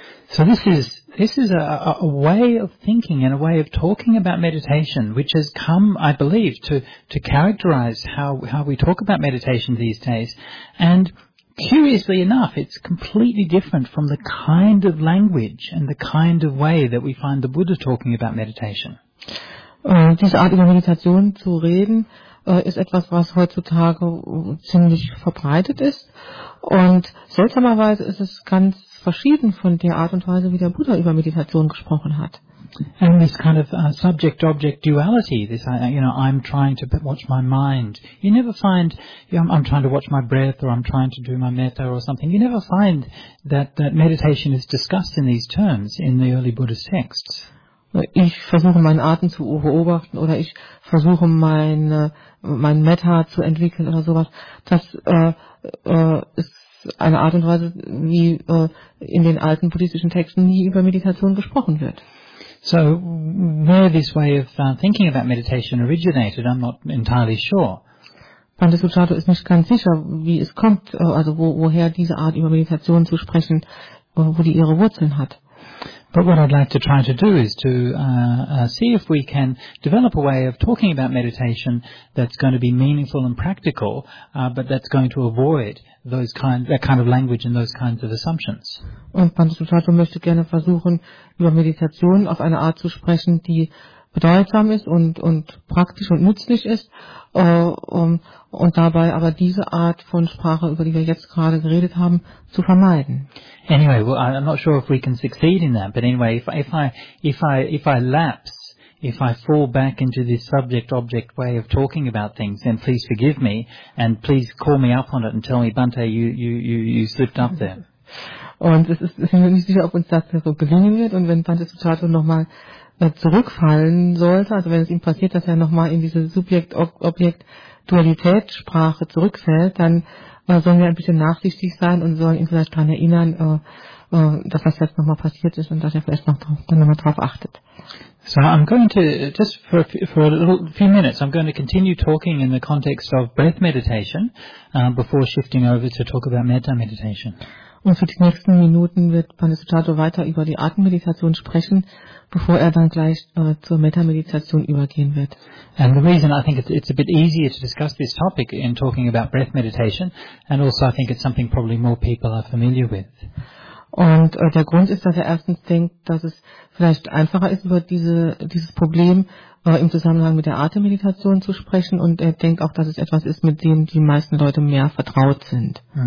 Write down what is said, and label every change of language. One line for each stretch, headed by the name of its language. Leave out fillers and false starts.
English: So this is a way of thinking and a way of talking about meditation, which has come, I believe, to characterize how we talk about meditation these days. And curiously enough, it's completely different from the kind of language and the kind of way that we find the Buddha talking about meditation.
German: Diese Art über Meditation zu reden, ist etwas, was heutzutage ziemlich verbreitet ist. Und seltsamerweise ist es ganz verschieden von der Art und Weise, wie der Buddha über Meditation gesprochen hat.
English: And this kind of subject-object duality, this, you know, I'm trying to watch my mind. You never find, you know, I'm trying to watch my breath, or I'm trying to do my metta or something. You never find that meditation is discussed in these terms in the early Buddhist texts.
German: Ich versuche meinen Atem zu beobachten, oder ich versuche mein Metta zu entwickeln oder sowas. Das ist eine Art und Weise, wie in den alten buddhistischen Texten nie über Meditation gesprochen wird.
English: So, where this way of thinking about meditation originated, I'm not entirely sure.
German: Pandesuchato ist nicht ganz sicher, wie es kommt, also woher diese Art über Meditation zu sprechen, wo die ihre Wurzeln hat.
English: But what I'd like to try to do is to see if we can develop a way of talking about meditation that's going to be meaningful and practical, but that's going to avoid that kind of language and those kinds of assumptions.
German: Und Pandesuchato möchte gerne versuchen, über Meditation auf eine Art zu sprechen, die bedeutsam ist und praktisch und nützlich ist, und dabei aber diese Art von Sprache, über die wir jetzt gerade geredet haben, zu vermeiden.
English: Anyway, well, I'm not sure if we can succeed in that, but anyway, if I lapse, if I fall back into this subject-object way of talking about things, then please forgive me and please call me up on it and tell me, Bhante, you slipped up there.
German: Und es ist, sind wir nicht sicher, ob uns das so gelingen wird. Und wenn Bhante Suchato nochmal zurückfallen sollte, also wenn es ihm passiert, dass er nochmal in diese Subjekt-Objekt-Dualitätssprache zurückfällt, dann sollen wir ein bisschen nachsichtig sein und sollen ihn vielleicht daran erinnern, dass das jetzt nochmal passiert ist und dass er vielleicht nochmal drauf achtet.
English: So I'm going to, just for a little few minutes, I'm going to continue talking in the context of breath meditation before shifting over to talk about metta meditation.
German: Und für die nächsten Minuten wird Panasuchato weiter über die Atemmeditation sprechen, bevor er dann gleich zur Metta-Meditation übergehen wird.
English: And the reason I think it's a bit easier to discuss this topic in talking about breath meditation, and also I think it's something probably more people are familiar with.
German: Und der Grund ist, dass er erstens denkt, dass es vielleicht einfacher ist, über dieses Problem im Zusammenhang mit der Atemmeditation zu sprechen, und er denkt auch, dass es etwas ist, mit dem die meisten Leute mehr vertraut sind.